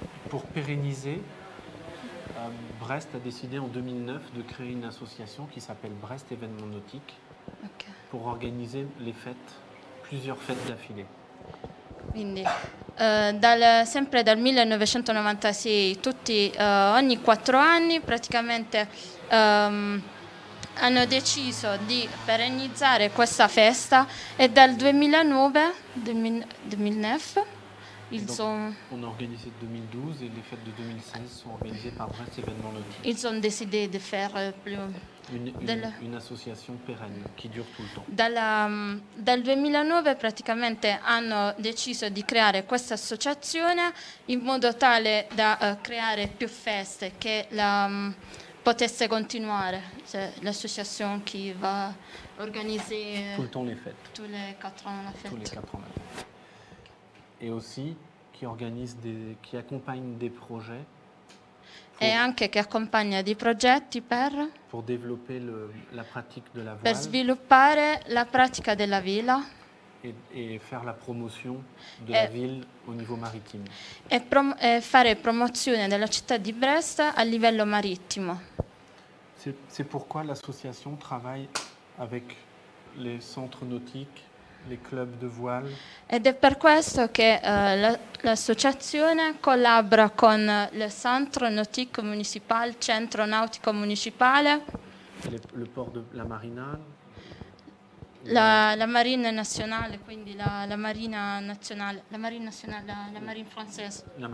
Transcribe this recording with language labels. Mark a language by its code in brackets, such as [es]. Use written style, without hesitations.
[fr] Pour pérenniser, Brest a décidé en 2009 de créer une association qui s'appelle Brest Événement Nautique pour organiser les fêtes, plusieurs fêtes d'affilée. [it] Quindi, sempre dal 1996, ogni 4 anni praticamente hanno deciso di perennizzare questa festa e dal 2009. [fr] On a organisé 2012 et les fêtes de 2016 sont organisées par Brest Événement Nautique. Ils ont décidé de faire une association pérenne qui dure tout le temps. [it] Dal 2009 praticamente hanno deciso di creare questa associazione in modo tale da creare più feste che la potesse continuare, cioè l'associazione che va organizzare [fr] tout le temps les fêtes. Tous les 4 ans la fête. Tous les 4 ans la fête. Et aussi qui organise qui accompagne des projets. [it] Et anche che accompagna dei progetti per. [fr] Pour développer la pratique de la voile. [it] Per sviluppare la pratica della vela. [fr] Et faire la promotion de la ville au niveau maritime. [it] E fare promozione della città di Brest a livello marittimo. [fr] C'est pourquoi l'association travaille avec les centres nautiques. Les clubs de voile. [it] Ed è per questo che l'associazione collabora con le Centre Nautique Municipal, Centro Nautico Municipale, [fr] le port de la Marina, [it] la Marina Nazionale, quindi la Marina Nazionale, la Marina Nazionale, la Marina Francese,